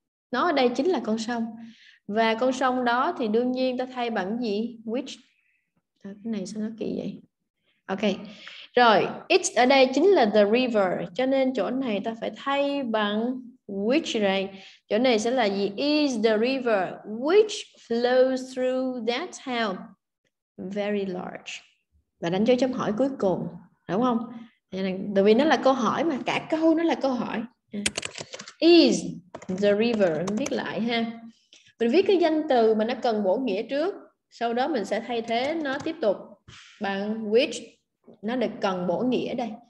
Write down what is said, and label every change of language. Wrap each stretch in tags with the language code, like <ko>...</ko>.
<vi>Nó ở đây chính là con sông. Và con sông đó thì đương nhiên ta thay bằng gì? Which. À, cái này sao nó kỳ vậy? Ok. Rồi, it ở đây chính là</vi> <en>the river,</en> <vi>cho nên chỗ này ta phải thay bằng which này. Chỗ này sẽ là gì?</vi> <en>Is the river which flows through that town very large?</en> <vi>Và đánh dấu chấm hỏi cuối cùng, đúng không? Tại vì nó là câu hỏi mà, cả câu nó là câu hỏi.</vi> <en>Is the river,</en> <vi>mình viết lại ha. Mình viết cái danh từ mà nó cần bổ nghĩa trước, sau đó mình sẽ thay thế nó tiếp tục bằng which, nó được cần bổ nghĩa đây.</vi>